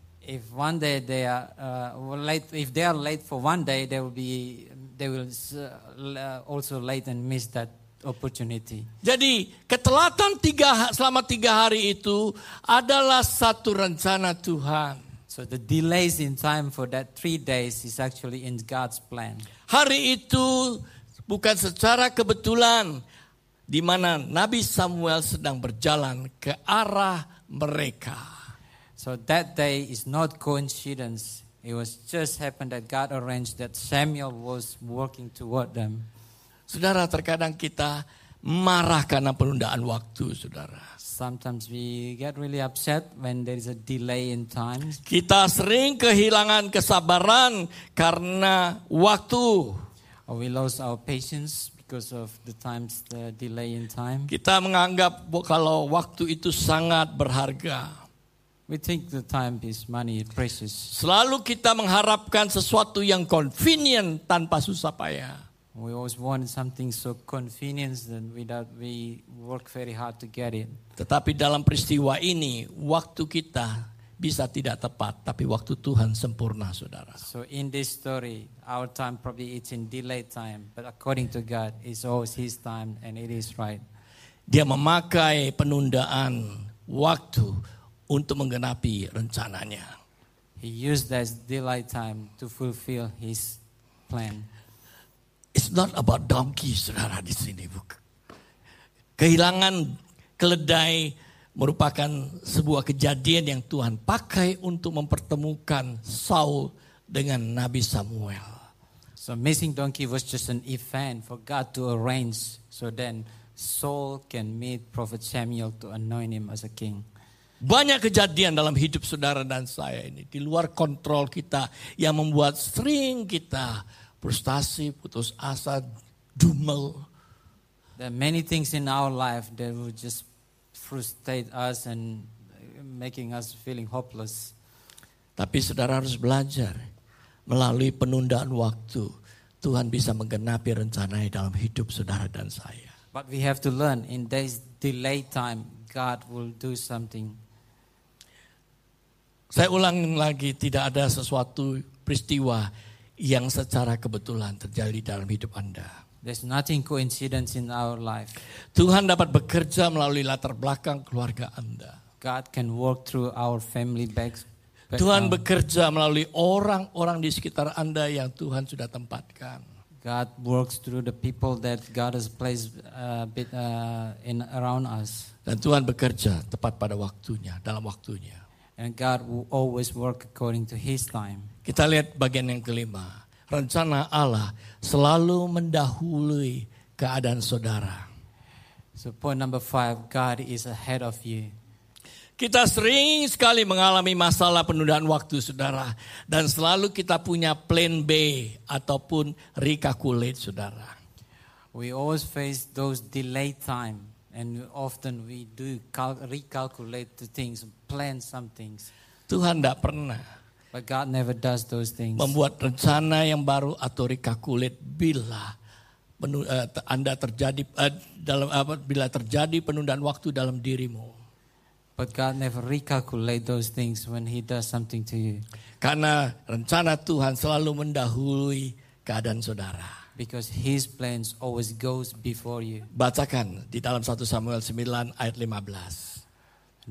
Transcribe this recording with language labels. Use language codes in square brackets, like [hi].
[en] If one day they are late, if they are late for 1 day, they will also late and miss that opportunity. [id] Jadi ketelatan selama 3 hari itu adalah satu rencana Tuhan. [en] So the delays in time for that 3 days is actually in God's plan. [id] Hari itu bukan secara kebetulan di mana Nabi Samuel sedang berjalan ke arah mereka. [en] So that day is not coincidence. It was just happened that God arranged that Samuel was walking toward them. [id] Saudara, terkadang kita marah karena penundaan waktu, saudara. [en] Sometimes we get really upset when there is a delay in time. [id] Kita sering kehilangan kesabaran karena waktu. [en] Or we lose our patience because of the times, the delay in time. [id] Kita menganggap kalau waktu itu sangat berharga. [en] We think the time is money, precious. [id] Selalu kita mengharapkan sesuatu yang convenient tanpa susah payah. [en] We always want something so convenient and without we work very hard to get it. [id] Tetapi dalam peristiwa ini, waktu kita bisa tidak tepat, tapi waktu Tuhan sempurna, saudara. [en] So in this story, our time probably it's in delayed time, but according to God, it's always His time and it is right. [id] Dia memakai penundaan waktu untuk menggenapi rencananya. [en] He used that delayed time to fulfill His plan. It's not about donkey, [id] saudara, di sini. Kehilangan keledai merupakan sebuah kejadian yang Tuhan pakai untuk mempertemukan Saul dengan Nabi Samuel. [en] So missing donkey was just an event for God to arrange so then Saul can meet Prophet Samuel to anoint him as a king. [id] Banyak kejadian dalam hidup saudara dan saya ini di luar kontrol kita yang membuat sering kita frustasi, putus asa, dumel. [en] There are many things in our life that will just frustrate us and making us feeling hopeless. [id] Tapi saudara harus belajar melalui penundaan waktu, Tuhan bisa menggenapi rencananya dalam hidup saudara dan saya. [en] But we have to learn in this delayed time, God will do something. [id] Saya ulang lagi, tidak ada sesuatu peristiwa yang secara kebetulan terjadi dalam hidup Anda. [en] There's nothing coincidence in our life. [id] Tuhan dapat bekerja melalui latar belakang keluarga Anda. [en] God can work through our family background. [id] Tuhan bekerja melalui orang-orang di sekitar Anda yang Tuhan sudah tempatkan. [en] God works through the people that God has placed in around us. [id] Dan Tuhan bekerja tepat pada waktunya, dalam waktunya. [en] And God will always work according to His time. [id] Kita lihat bagian yang kelima. Rencana Allah selalu mendahului keadaan saudara. [en] So point number five, God is ahead of you. [id] Kita sering sekali mengalami masalah penundaan waktu, saudara. Dan selalu kita punya plan B ataupun recalculate, saudara. [en] We always face those delayed time. And often we do recalculate the things, plan some things. [id] Tuhan tidak pernah. [en] But God never does those things. [id] Membuat rencana yang baru atau recalculate bila Anda terjadi dalam apa bila terjadi penundaan waktu dalam dirimu. [en] But God never recalculate those things when He does something to you. [id] Karena rencana Tuhan selalu mendahului keadaan saudara. [en] Because His plans always goes before you. [id] Bacakan di dalam 1 Samuel 9 ayat 15.